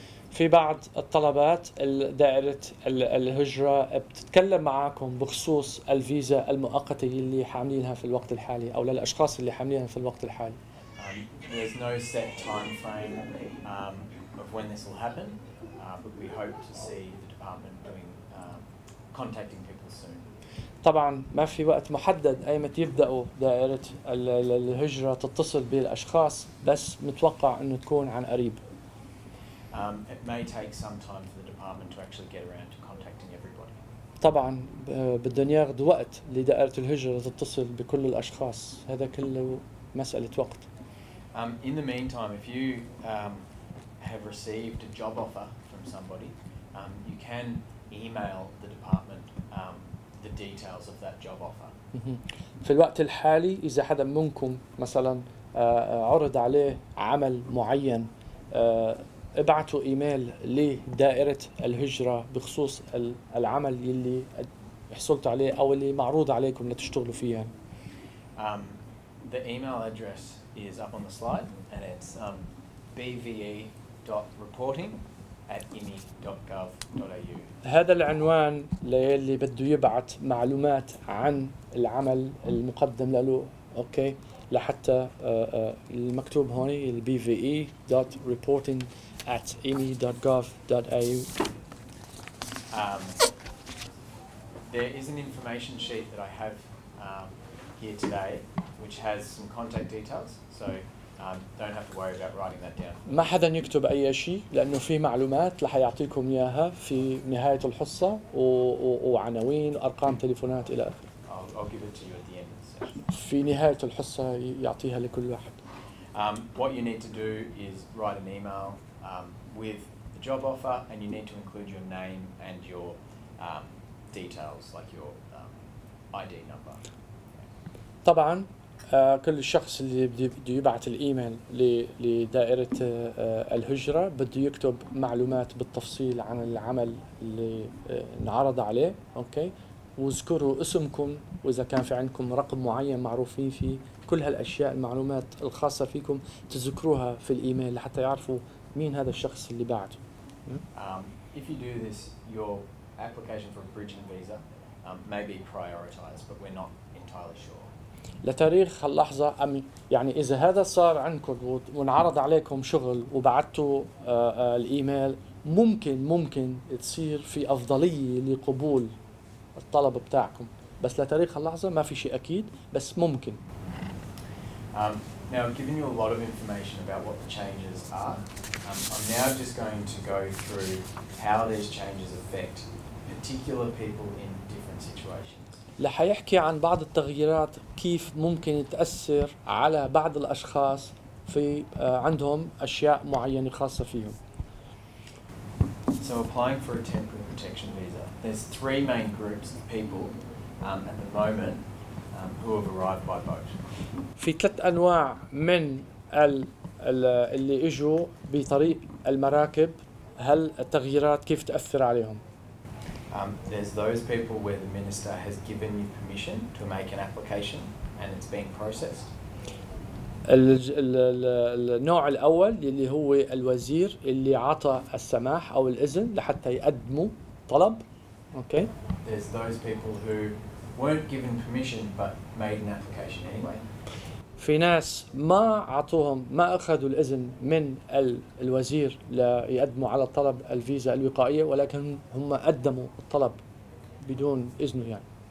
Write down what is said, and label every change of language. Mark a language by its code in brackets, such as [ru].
[ar] في بعض الطلبات دائرة الهجرة بتتكلم معاكم بخصوص الفيزا المؤقتة اللي حاملينها في الوقت الحالي أو للأشخاص اللي حاملينها في الوقت الحالي. [en] There's no set time frame of when this will happen. But we hope to see the department doing contacting people soon. [ar] طبعا ما في وقت محدد اي متى يبداوا دائره الهجره تتصل بالاشخاص بس متوقع انه تكون عن قريب. [en] It may take some time for the department to actually get around to contacting everybody. [ar] طبعا بدهم ياخذوا وقت لدائره الهجره تتصل بكل الاشخاص هذا كله مساله وقت. [en] In the meantime if you have received a job offer somebody, you can email the department the details of that job offer. [ar] في الوقت الحالي إذا حدا منكم مثلاً عرض عليه عمل معين ابعتوا إيميل لدائرة الهجرة بخصوص العمل اللي حصلت عليه أو اللي معروض عليكم لتشتغلوا فيها. [en] The email address is up on the slide and it's bve.reporting@imi.gov.au. [ar] هذا العنوان للي بده يبعث معلومات عن العمل المقدم له اوكي لحتى المكتوب هون bve.reporting@imi.gov.au. [en] There is an information sheet that I have here today which has some contact details, so don't have to worry about writing that down. [ar] ما حدا يكتب أي شيء لأنه في معلومات لح يعطيكم إياها في نهاية الحصة وعناوين أرقام تليفونات إلى آخره. [en] I'll give it to you at the end of the session. [ar] في نهاية الحصة يعطيها لكل واحد. [en] What you need to do is write an email with the job offer, and you need to include your name and your details like your ID number. [ar] طبعاً. كل شخص اللي بده يبعث الإيميل لدائرة الهجرة بده يكتب معلومات بالتفصيل عن العمل اللي نعرض عليه أوكي واذكروا اسمكم وإذا كان في عندكم رقم معين معروفين فيه كل هالأشياء المعلومات الخاصة فيكم تذكروها في الإيميل حتى يعرفوا مين هذا الشخص اللي بعته. [en] If you do this, your application for a bridging visa may be prioritized, but we're not entirely sure. [ar] لتاريخ اللحظة أم يعني إذا هذا صار عندكم ونعرض عليكم شغل وبعتوا الإيميل ممكن تصير في أفضلية لقبول الطلب بتاعكم بس لتاريخ اللحظة ما في شيء أكيد بس ممكن. [en] Now I've given you a lot of information about what the changes are. I'm now just going to go through how these changes affect particular people in different situations. [ar] لح يحكي عن بعض التغييرات كيف ممكن تأثر على بعض الأشخاص في عندهم أشياء معينة خاصة فيهم. [en] So applying for a temporary protection visa, there's three main groups of people at the moment who have arrived by boat. [ar] في ثلاث أنواع من اللي إجوا بطريق المراكب هل التغييرات كيف تأثر عليهم؟ [en] There's those people where the minister has given you permission to make an application and it's being processed. [ar] النوع الأول اللي هو الوزير اللي عطى السماح أو الإذن لحتى يقدموا طلب. [en] Okay. There's those people who weren't given permission but made an application anyway. [ar] في ناس ما عطوهم ما أخذوا الإذن من الوزير ليقدموا على طلب الفيزا الوقائية ولكن هم قدموا الطلب بدون إذنه يعني.